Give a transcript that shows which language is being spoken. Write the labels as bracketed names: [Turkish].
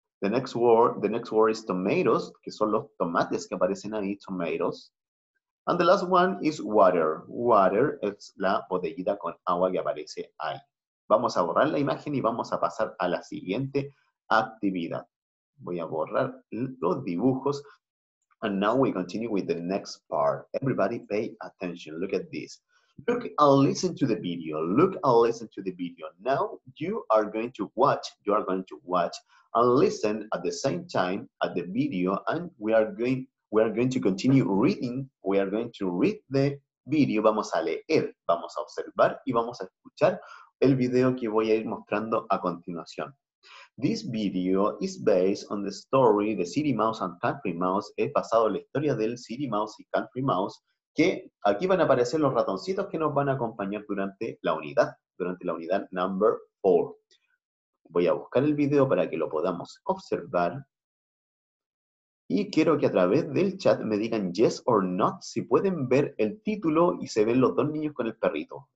[English] The next word is tomatoes, [Spanish] que son los tomates que aparecen ahí, tomatoes. [English] And the last one is water. [Spanish] Water es la botellita con agua que aparece ahí. Vamos a borrar la imagen y vamos a pasar a la siguiente actividad. Voy a borrar los dibujos. [English] And now we continue with the next part. Everybody pay attention. Look at this. Look and listen to the video. Look and listen to the video. Now you are going to watch. You are going to watch and listen at the same time at the video. And we are going to continue reading. We are going to read the video. [Spanish] Vamos a leer. Vamos a observar y vamos a escuchar el video que voy a ir mostrando a continuación. [English] This video is based on the story The City Mouse and Country Mouse. [Spanish] He pasado la historia del City Mouse y Country Mouse, que aquí van a aparecer los ratoncitos que nos van a acompañar durante la unidad number 4. Voy a buscar el video para que lo podamos observar. Y quiero que a través del chat me digan yes or not, si pueden ver el título y se ven los dos niños con el perrito.